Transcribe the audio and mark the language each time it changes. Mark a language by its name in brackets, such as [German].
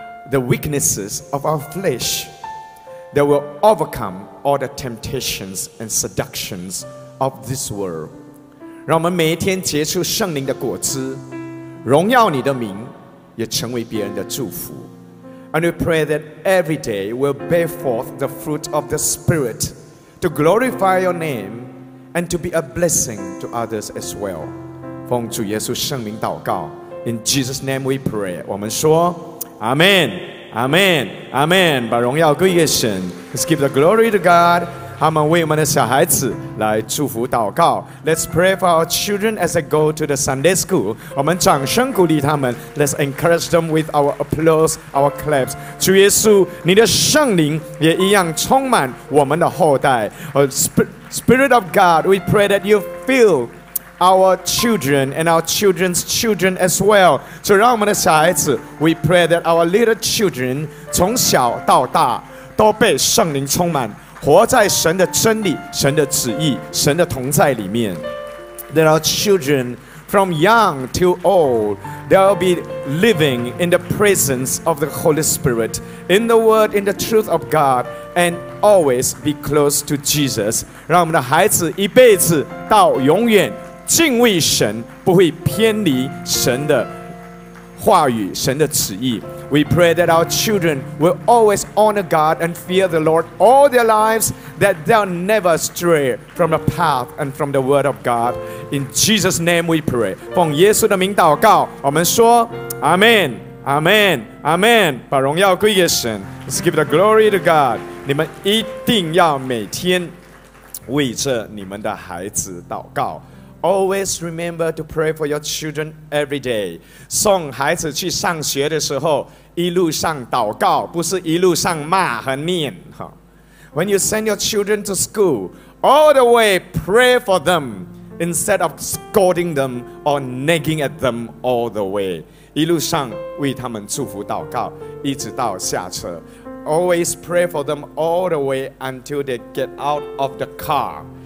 [English] The weaknesses of our flesh that will overcome all the temptations and seductions of this world. [Chinese] 让我们每一天结出圣灵的果子，荣耀你的名，也成为别人的祝福。 [English] And we pray that every day we'll bear forth the fruit of the Spirit to glorify your name and to be a blessing to others as well. [Chinese] 奉主耶稣圣灵祷告， [English] In Jesus' name we pray. [Chinese] 我们说Amen, Amen, Amen. 把荣耀归给神。 [English] Let's give the glory to God. [Chinese] 他们为我们的小孩子来祝福祷告。 [English] Let's pray for our children as they go to the Sunday school. [Chinese] 我们掌声鼓励他们。 [English] Let's encourage them with our applause, our claps. [Chinese] 主耶稣，你的圣灵也一样充满我们的后代。 [English] Spirit of God, we pray that you fill our children and our children's children as well. [Chinese] 就让我们的小孩子， [English] we pray that our little children [Chinese] 从小到大都被圣灵充满，活在神的真理、神的旨意、神的同在里面。 [English] That our children from young to old they'll be living in the presence of the Holy Spirit, in the word, in the truth of God, and always be close to Jesus. [Chinese] 让我们的孩子一辈子到永远敬畏神，不会偏离神的话语，神的旨意。 [English] We pray that our children will always honor God and fear the Lord all their lives, that they'll never stray from the path and from the word of God. In Jesus' name we pray. [Chinese] 奉耶稣的名祷告，我们说 [English] Amen, Amen, Amen. [Chinese] 把荣耀归给神。 [English] Let's give the glory to God. [Chinese] 你们一定要每天为着你们的孩子祷告。 [English] Always remember to pray for your children every day. [Chinese] 送孩子去上学的时候，一路上祷告，不是一路上骂和念。 [English] When you send your children to school, all the way pray for them instead of scolding them or nagging at them all the way. [Chinese] 一路上为他们祝福祷告，一直到下车。 [English] Always pray for them all the way until they get out of the car.